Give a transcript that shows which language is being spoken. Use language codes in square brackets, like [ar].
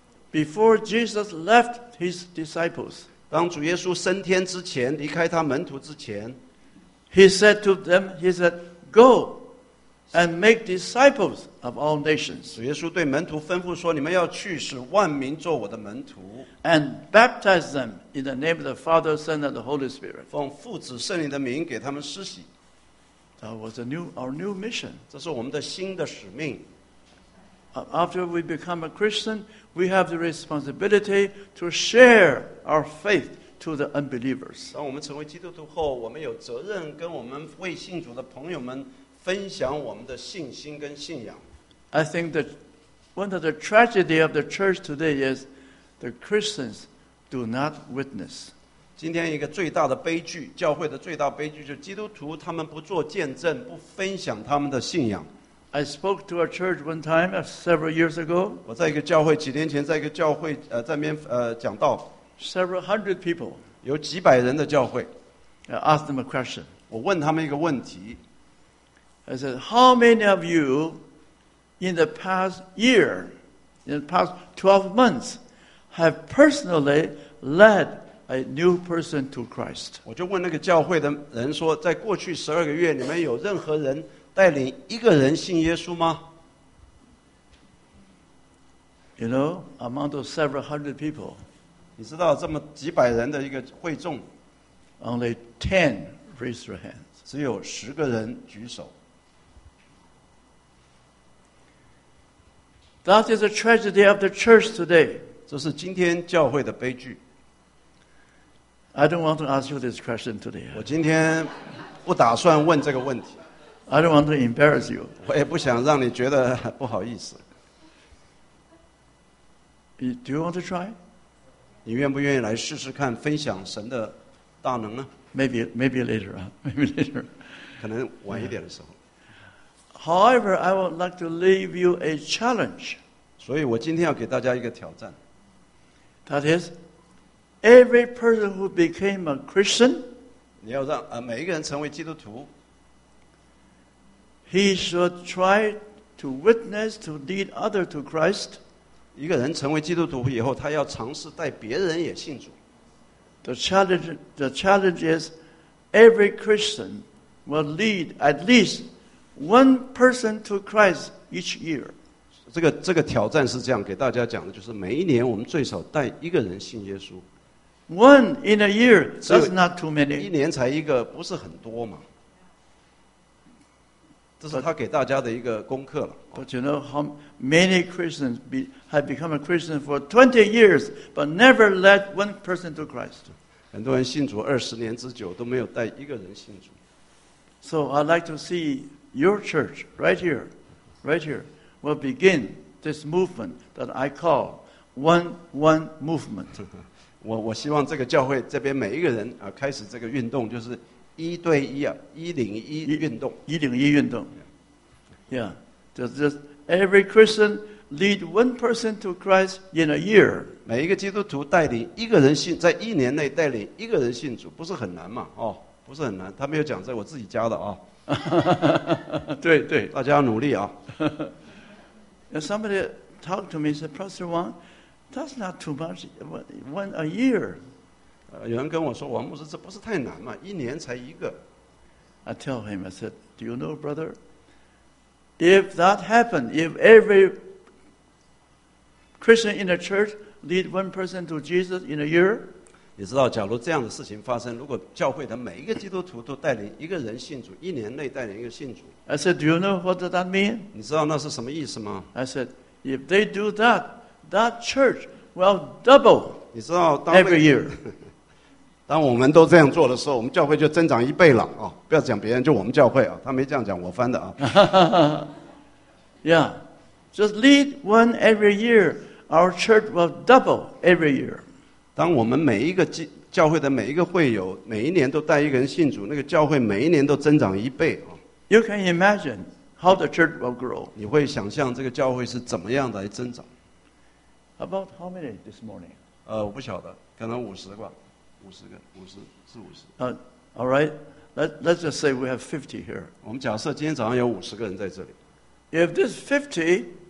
[en] Before Jesus left his disciples, [zh] 当主耶稣升天之前，离开他门徒之前 [en] ，He said to them, He said, "Go and make disciples of all nations." [zh] 主耶稣对门徒吩咐说：“你们要去，使万民做我的门徒。” [en] And baptize them. In the name of the Father, Son, and the Holy Spirit. [zh] 奉父子圣灵的名给他们施洗。 [en] That was our new mission. [zh] 这是我们的新的使命。 [en] After we become a Christian, we have the responsibility to share our faith to the unbelievers. [zh] 当我们成为基督徒后，我们有责任跟我们未信主的朋友们分享我们的信心跟信仰。 [en] I think that one of the tragedy of the church today is the Christians. Do not witness. [zh] 今天一个最大的悲剧，教会的最大悲剧，就是基督徒他们不做见证，不分享他们的信仰。 [en] I spoke to a church one time several years ago. [zh] 我在一个教会几年前，在一个教会在那边讲道。 [en] Several hundred people. [zh] 有几百人的教会。 [en] I asked them a question. [zh] 我问他们一个问题。 [en] I said, "How many of you, in the past year, in the past 12 months?" Have personally led a new person to Christ. [zh] 我就问那个教会的人说，在过去十二个月，你们有任何人带领一个人信耶稣吗 [en] ？You know, among those several hundred people, [zh] 你知道这么几百人的一个会众 [en] ，only 10 raised their hands. [zh] 只有十个人举手。 [en] That is a tragedy of the church today. [zh] 这是今天教会的悲剧。 [en] I don't want to ask you this question today. [zh] 我今天不打算问这个问题。 [en] I don't want to embarrass you. [zh] 我也不想让你觉得不好意思。 [en] Do you want to try? [zh] 你愿不愿意来试试看分享神的大能呢 [en] ？Maybe later. Maybe later. [zh] 可能晚一点的时候。 [en] However, I would like to leave you a challenge. [zh] 所以我今天要给大家一个挑战。 [en] That is, every person who became a Christian, [zh] 你要让每一个人成为基督徒。 [en] He should try to witness to lead other to Christ. [zh] 一个人成为基督徒以后，他要尝试带别人也信主。 [en] The challenge is every Christian will lead at least one person to Christ each year. [zh] 这个挑战是这样给大家讲的，就是每一年我们最少带一个人信耶稣。 [en] One in a year, that's not too many. [zh] 一年才一个，不是很多嘛。这是他给大家的一个功课了。 [en] But you know how many Christians have become a Christian for 20 years, but never led one person to Christ. [zh] 很多人信主二十年之久都没有带一个人信主。 [en] So I'd like to see your church right here, will begin this movement that I call One Movement. [zh] 我希望这个教会这边每一个人啊开始这个运动，就是一对一啊，一零一运动，一零一运动 [en] ，Yeah， just every Christian lead one person to Christ in a year。 [zh] 每一个基督徒带领一个人信，在一年内带领一个人信主，不是很难嘛？哦，不是很难。他没有讲在我自己家的啊。对对，大家要努力啊。 [en] Now somebody talked to me said, Pastor Wang, that's not too much, one a year。 [zh] 有人跟我说，王牧师，这不是太难吗？一年才一个。 [en] I tell him, I said, Do you know, brother? If that happened, if every Christian in the church lead one person to Jesus in a year, [zh] 你知道，假如这样的事情发生，如果教会的每一个基督徒都带领一个人信主，一年内带领一个信主 [en] ，I said, Do you know what does that mean? [zh] 你知道那是什么意思吗 [en] ？I said, If they do that, that church will double. [zh] 你知道当 [en] every year. [zh] 当我们都这样做的时候，我们教会就增长一倍了啊、哦！不要讲别人，就我们教会啊，他没这样讲，我翻的啊。 [en] yeah, just lead one every year, our church will double every year. [zh] 当我们每一个教会的每一个会友，每一年都带一个人信主，那个教会每一年都增长一倍啊。 [en] You can imagine how the church will grow. [zh] 你会想象这个教会是怎么样来增长 [en] ？About how many this morning? [zh] 我不晓得，可能五十吧。五十个，五十是五十。 [en] All right, let's just say we have 50 here. [zh] 我们假设今天早上有五十个人在这里。 [en] If this 50,